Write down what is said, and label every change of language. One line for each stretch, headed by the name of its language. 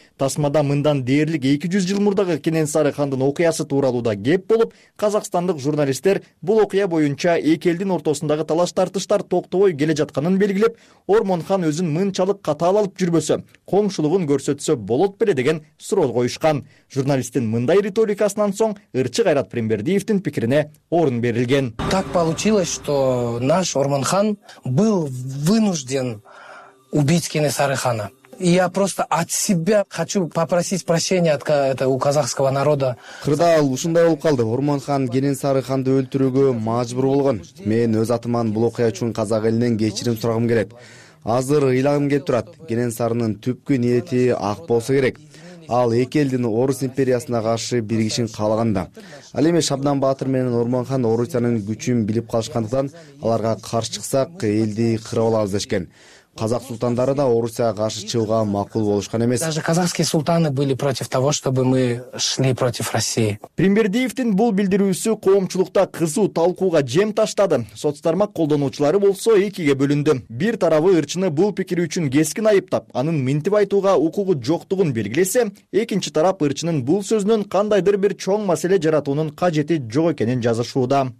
Kyrgyz: Тасмада мындан дээрлик 200 жыл мурдагы Кененсары хандын окуясы тууралуу да кеп болуп, казакстандык журналисттер бул окуя боюнча эки элдин ортосундагы талаш тартыштар токтобой келе жатканын белгилеп, Ормонхан өзүн мынчалык катаал алып жүрбөсө, коңшулугун көрсөтсө болот беле деген суроо коюшкан. Журналисттин мындай риторикасынан соң ырчы Кайрат Пірімбердиевдин пикирине орун берилген.
Russian: Так получилось, что наш Ормонхан был вынужден убить Кененсары хана. Я просто от себя хочу попросить прощения у казахского народа.
Kyrgyz: Кырдаал ушундай болуп калды. Орманхан Кененсары ханды өлтүрүүгө мажбур болгон. Мен өз атыман бул окуя үчүн казак элинен кечирим сурагым келет. Азыр ыйлагым келип турат. Кененсарынын түпкү ниети ак болсо керек. Ал эки элдин Орус империясына каршы биригишин каалаганда. Ал эми Шабдан Баатыр менен Орманхан Орусиянын күчүн билип калышкандыктан аларга каршы чыксак элди кырып алабыз дешкен. Казак султандары да Орусияга каршы чыгууга макул болушкан эмес.
Russian: Даже казахские султаны были против того, чтобы мы шли против России.
Kyrgyz: Пірімбердиевдин бул билдирүүсү коомчулукта кызуу талкууга жем таштады. Соцтармак колдонуучулары болсо экиге бөлүндү. Бир тарабы ырчыны бул пикири үчүн кескин айыптап, анын минтип айтууга укугу жоктугун белгилесе, экинчи тарап ырчынын бул сөзүнөн кандайдыр бир чоң маселе жаратуунун кажети жок экенин жазышууда.